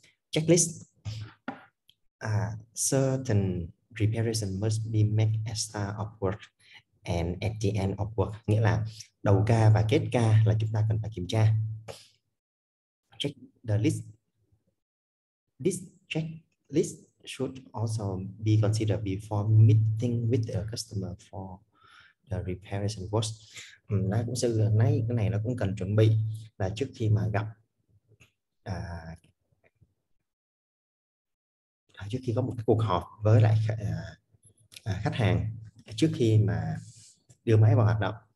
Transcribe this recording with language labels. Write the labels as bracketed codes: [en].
[en] Checklist: certain reparation must be made at start of work and at the end of work, [vi] nghĩa là đầu ca và kết ca là chúng ta cần phải kiểm tra. [en] Check the list. This checklist should also be considered before meeting with the customer for the reparation works. [vi] Nó cũng sẽ nói cái này nó cũng cần chuẩn bị là trước khi mà gặp trước khi có một cái cuộc họp với lại khách hàng trước khi mà đưa máy vào hoạt động.